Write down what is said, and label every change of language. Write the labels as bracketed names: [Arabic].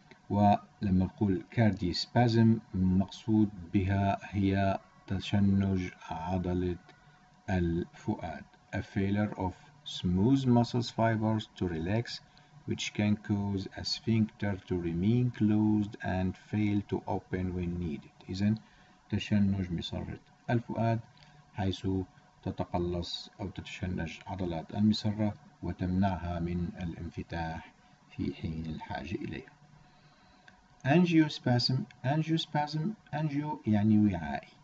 [Arabic] ولما نقول كاردي سبازم المقصود بها هي تشنج عضلة الفؤاد. [English] A failure of smooth muscles fibers to relax, which can cause a sphincter to remain closed and fail to open when needed. [Arabic] إذن تشنج مسرة الفؤاد، حيث تتقلص أو تتشنج عضلات المسرة وتمنعها من الانفتاح في حين الحاجة إليها. أنجيوسباسم، أنجيوسباسم، أنجيو يعني وعائي.